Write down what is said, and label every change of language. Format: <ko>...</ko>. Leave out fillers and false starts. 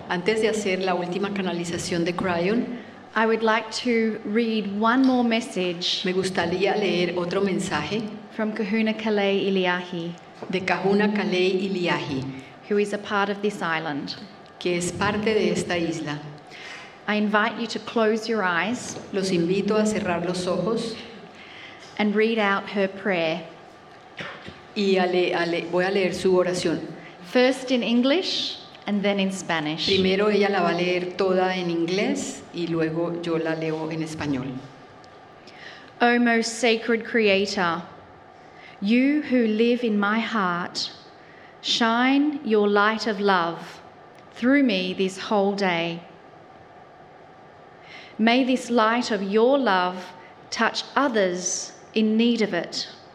<es>antes de hacer la última canalización de Cryon,</es> <en>I would like to read one more message.</en> <es>Me gustaría leer otro mensaje</es> <en>from Kahuna Kalei Iliahi.</en> <es>De Kahuna Kalei Iliahi,</es> <en>who is a part of this island.</en> <es>Que es parte de esta isla.</es> <en>I invite you to close your eyes.</en> <es>Los invito a cerrar los ojos.</es> <en>And read out her prayer.</en> <es>Y voy a leer su oración.</es> <en>First in English and then in Spanish.</en> <es>Primero ella la va a leer toda en inglés y luego yo la leo en español.</es> <en>O most sacred creator, you who live in my heart, shine your light of love through me this whole day. May this light of your love touch others in need of it.</en>